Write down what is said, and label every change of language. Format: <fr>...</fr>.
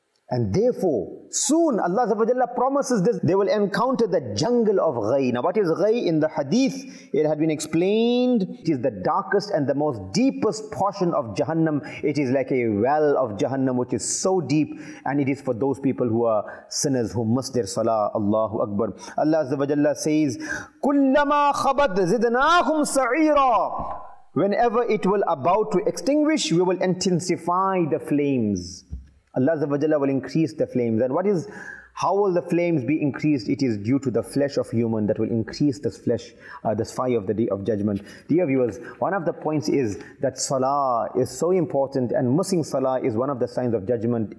<en>And therefore, soon Allah promises this, they will encounter the jungle of ghay. Now what is ghay in the hadith? It had been explained, it is the darkest and the most deepest portion of Jahannam. It is like a well of Jahannam which is so deep. And it is for those people who are sinners, who miss their salah. Allahu Akbar.</en> <ar>Allah says, كُلَّمَا خَبَدْ زِدْنَاهُمْ سَعِيرًا.</ar> <en>Whenever it will about to extinguish, we will intensify the flames. Allah Azza wa Jalla will increase the flames. And what is, how will the flames be increased? It is due to the flesh of human that will increase this flesh, this fire of the day of judgment. Dear viewers, one of the points is that salah is so important, and missing salah is one of the signs of judgment.</en>